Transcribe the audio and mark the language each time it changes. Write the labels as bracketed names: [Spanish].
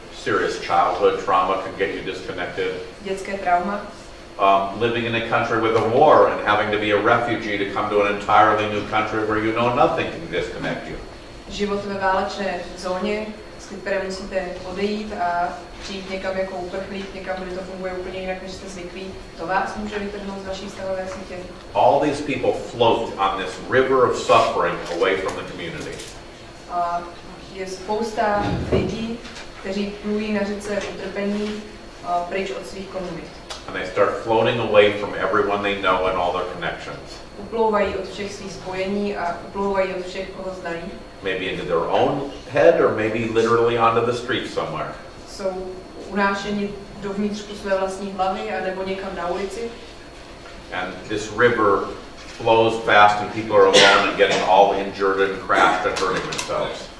[English] Serious childhood trauma can get you disconnected. [Czech] Dětské trauma. [English] Living in a country with a war and having to be a refugee to come to an entirely new country where you know nothing can disconnect you. [Czech] Život ve válečné zóně, z které musíte odejít a přijít někam jako uprchlík, někam, kde to funguje úplně jinak, než jste zvyklí, to vás může vytrhnout z vaší vztahové sítě. [English] All these people float on this river of suffering away from the community. [Czech] Je spousta lidí, kteří plují na řece utrpení pryč od svých komunit. [English] And they start floating away from everyone they know and all their connections. [Czech] Uplouvají od všech svých spojení a uplouvají od všech, koho znají. [English] Maybe into their own head or maybe literally onto the street somewhere. [Czech] Jsou unášeni do vnitřku své vlastní hlavy a nebo někam na ulici. [English] And this river flows fast and people are alone and getting all injured and crashed and hurting themselves.